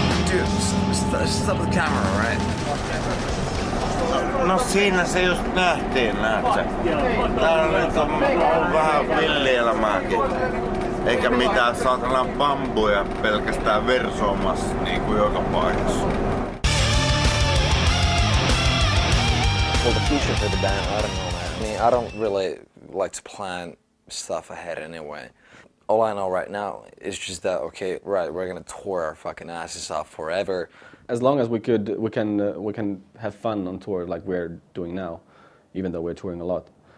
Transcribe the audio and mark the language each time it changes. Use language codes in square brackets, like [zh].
[en] Dude, stop the camera, right? [fi] No siinä se just nähtiin, näetkö? Täällä nyt on vähän villielämääkin. Eikä mitään saatana bambuja pelkästään versoomassa niin kuin joka paikassa. [en] Well, the future for the band, I don't know, man. I mean, I don't really like to plan stuff ahead anyway. All I know right now is just that, okay, right, we're gonna tour our fucking asses off forever. As long as we can have fun on tour like we're doing now, even though we're touring a lot.